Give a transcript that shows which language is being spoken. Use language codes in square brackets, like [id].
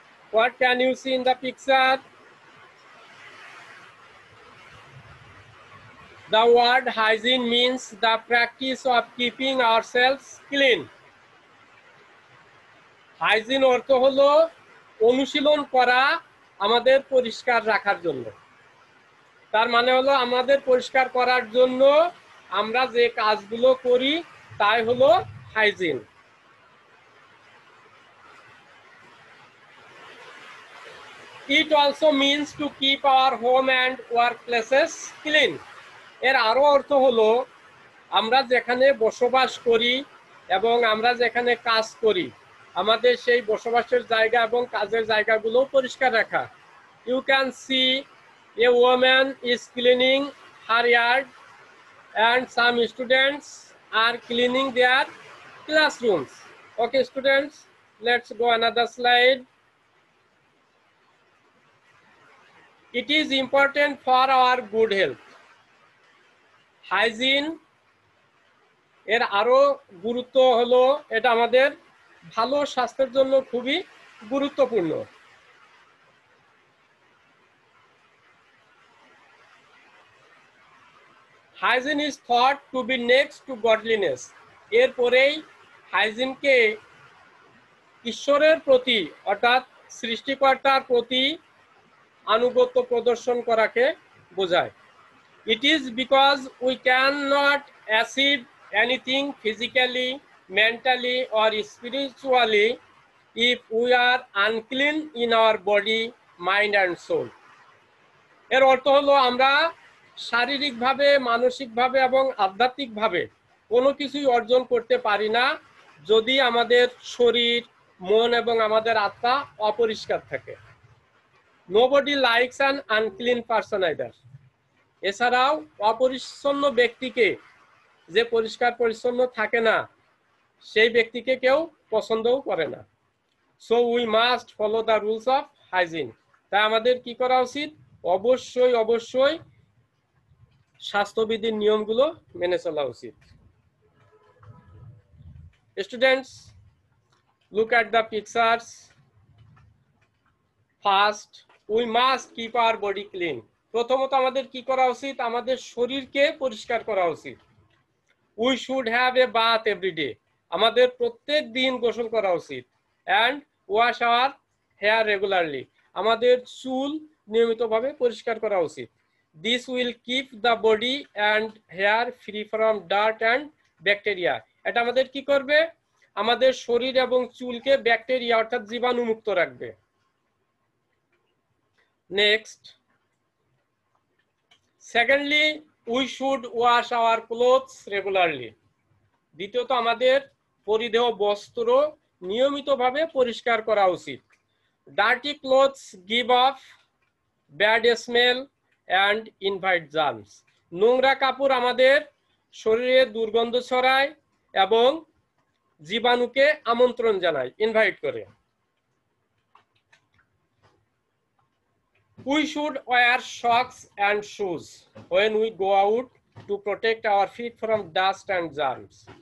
[en] What can you see in the picture? The word hygiene means the practice of keeping ourselves clean. [bn] Hygiene ortho holo onushilon kora আমাদের পরিষ্কার রাখার জন্য, তার মানে হলো আমাদের পরিষ্কার করার জন্য আমরা যে কাজগুলো করি তাই হলো hygiene. [en] It also means to keep our home and work places clean. [bn] এর আরো অর্থ হলো আমরা যেখানে বসবাস করি এবং আমরা যেখানে কাজ করি আমাদের সেই বসবাসের জায়গা এবং কাজের জায়গাগুলো পরিষ্কার রাখা। [en] You can see a woman is cleaning her yard and some students are cleaning their classrooms. Okay, students, let's go another slide. It is important for our good health. [bn] Hygiene এর আরো গুরুত্ব হলো এটা আমাদের ভালো স্বাস্থ্যের জন্য খুবই গুরুত্বপূর্ণ। [en] Hygiene is thought to be next to godliness. [bn] এরপরেই হাইজিনকে ঈশ্বরের প্রতি অর্থাৎ সৃষ্টিকর্তার প্রতি আনুগত্য প্রদর্শন করাকে বোঝায়। [en] It is because we cannot achieve anything physically, mentally or spiritually if we are unclean in our body, mind and soul. [bn] এর অর্থ হলো আমরা শারীরিকভাবে, মানসিকভাবে এবং আধ্যাত্মিকভাবে কোনো কিছুই অর্জন করতে পারি না যদি আমাদের শরীর, মন এবং আমাদের আত্মা অপরিষ্কার থাকে। [en] Nobody likes an unclean person either. [bn] এছাড়াও অপরিচ্ছন্ন ব্যক্তিকে, যে পরিষ্কার পরিচ্ছন্ন থাকে না, সেই ব্যক্তিকে কেউ পছন্দও করে না। [en] So we must follow the rules of hygiene. [bn] তাই আমাদের কি করা উচিত? অবশ্যই অবশ্যই স্বাস্থ্যবিধির নিয়মগুলো মেনে চলা উচিত। [en] Students, look at the pictures. First, we must keep our body clean. [bn] প্রথমত আমাদের কি করা উচিত? আমাদের শরীরকে পরিষ্কার করা উচিত। [en] We should have a bath every day. [bn] আমাদের প্রত্যেক দিন গোসল করা উচিত। [en] And wash our hair regularly. [bn] আমাদের চুল নিয়মিতভাবে পরিষ্কার করা উচিত। [en] This will keep the body and hair free from dirt and bacteria. [bn] এটা আমাদের কি করবে? আমাদের শরীর এবং চুলকে ব্যাকটেরিয়া অর্থাৎ জীবাণু মুক্ত রাখবে। [en] Next. Secondly, we should wash our clothes regularly. [bn] দ্বিতীয়ত আমাদের পরিধেয় বস্ত্র নিয়মিতভাবে পরিষ্কার করা উচিত। [en] Dirty clothes give off bad smell and invite germs. [bn] নোংরা কাপড় আমাদের শরীরে দুর্গন্ধ ছড়ায় এবং জীবাণুকে আমন্ত্রণ জানায়, ইনভাইট করে। [en] We should wear socks and shoes when we go out to protect our feet from dust and germs.